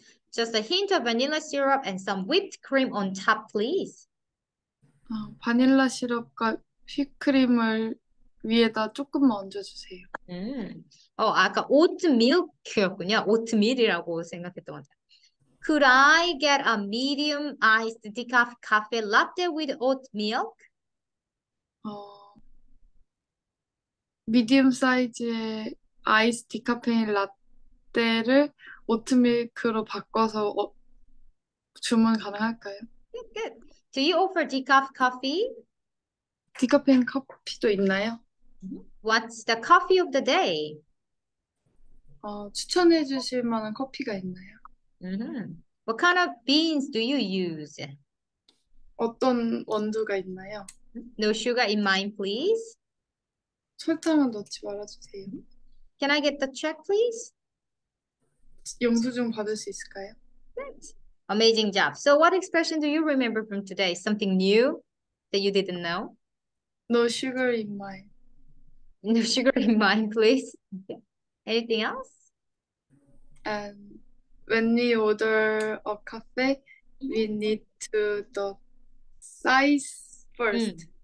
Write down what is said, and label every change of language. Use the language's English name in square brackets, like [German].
[English] Just a hint of vanilla syrup and some whipped cream on top, please. [Korean] 바닐라 시럽과 휘크림을 위에다 조금만 얹어주세요. 아까 오트밀크였군요. 오트밀이라고 생각했던 것 같아요. [English] Could I get a medium iced decaf cafe latte with oat milk? [Korean] 미디움 사이즈의 아이스 디카페인 라떼를 오트밀크로 바꿔서 주문 가능할까요? [English] Good. Do you offer decaf coffee? [Korean] 디카페인 커피도 있나요? [English] What's the coffee of the day? [Korean] 추천해 주실 만한 커피가 있나요? [English] What kind of beans do you use? [Korean] 어떤 원두가 있나요? [English] No sugar in mine, please. [Korean] 설탕은 넣지 말아주세요. [English] Can I get the check, please? [Korean] 영수 좀 받을 수 있을까요? [English] Thanks. Amazing job. So, what expression do you remember from today? Something new that you didn't know? No sugar in mine. No sugar in mind, please. Anything else? And when we order a cafe, we need to the size first.